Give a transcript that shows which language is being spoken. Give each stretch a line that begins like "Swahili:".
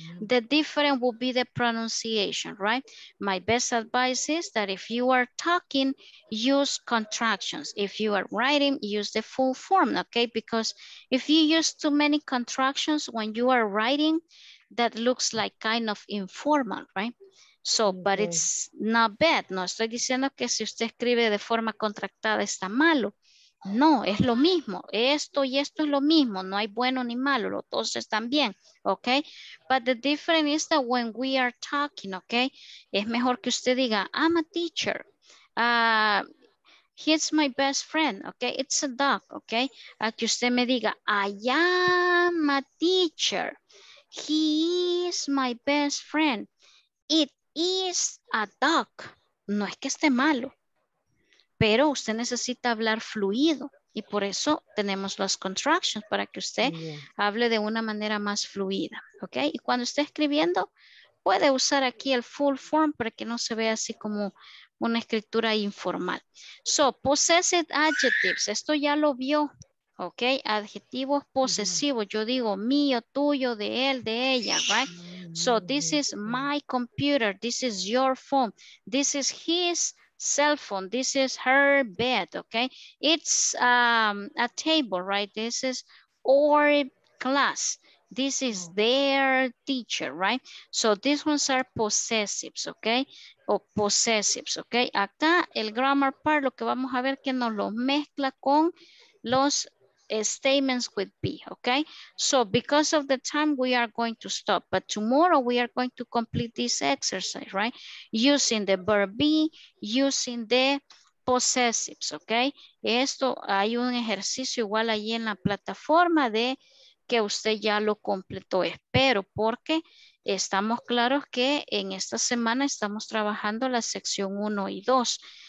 English: The difference will be the pronunciation, right? My best advice is that if you are talking, use contractions. If you are writing, use the full form, okay? Because if you use too many contractions when you are writing, that looks like kind of informal, right? So, but it's not bad.
Spanish: No estoy diciendo que si usted escribe de forma contractada está malo. No, es lo mismo. Esto y esto es lo mismo. No hay bueno ni malo. Los dos están bien, okay?
English: But the difference is that when we are talking, okay?
Spanish: Es mejor que usted diga,
English: I'm a teacher. He's my best friend,
Spanish: okay?
English: It's a dog, okay?
Spanish: A que usted me diga,
English: I am a teacher. He is my best friend. It is a dog.
Spanish: No es que esté malo, pero usted necesita hablar fluido y por eso tenemos las contractions para que usted hable de una manera más fluida, ¿ok? Y cuando esté escribiendo, puede usar aquí el full form para que no se vea así como una escritura informal.
English: So, possessive adjectives,
Spanish: esto ya lo vio, ¿ok? Adjetivos posesivos, yo digo mío, tuyo, de él, de ella, ¿right?
English: So, this is my computer, this is your phone, this is his cell phone, this is her bed, okay? It's a table, right? This is our class. This is their teacher, right? So these ones are possessives, okay? Or possessives, okay?
Spanish: Acá el grammar part, lo que vamos a ver que nos lo mezcla con los statements with be, okay?
English: So because of the time, we are going to stop. But tomorrow, we are going to complete this exercise, right? Using the verb be, using the possessives, okay?
Spanish: Esto, hay un ejercicio igual ahí en la plataforma de que usted ya lo completó. Espero, porque estamos claros que en esta semana estamos trabajando la sección 1 y 2.